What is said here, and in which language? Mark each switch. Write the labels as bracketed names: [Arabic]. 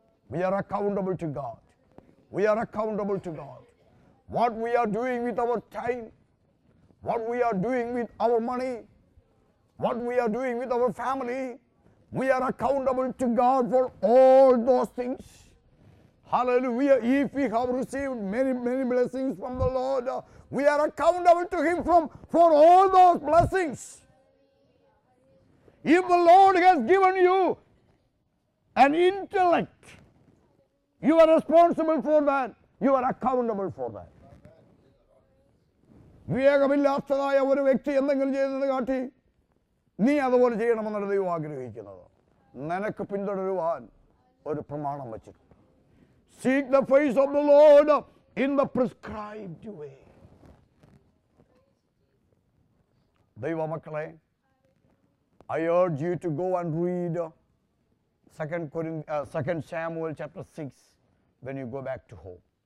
[English] We are accountable to God, we are accountable to God. What we are doing with our time, what we are doing with our money, what we are doing with our family, we are accountable to God for all those things. Hallelujah. If we have received many, many blessings from the Lord, we are accountable to Him for all those blessings. If the Lord has given you an intellect, you are responsible for that. You are accountable for that. [Malayalam] വിവേകമില്ലാത്തതായ ഒരു വ്യക്തി എന്തെങ്കിലും ചെയ്തെന്ന് കാട്ടി നീ അതുപോലെ ചെയ്യണമെന്നാണ് ദൈവം ആഗ്രഹിക്കുന്നത്. നിനക്ക് പിന്തുടരുവാൻ ഒരു പ്രമാണം വച്ചിട്ടുണ്ട്. [English] Seek the face of the Lord in the prescribed way. [Malayalam] Deva makale, [English] I urge you to go and read 2 Samuel chapter 6 when you go back to home.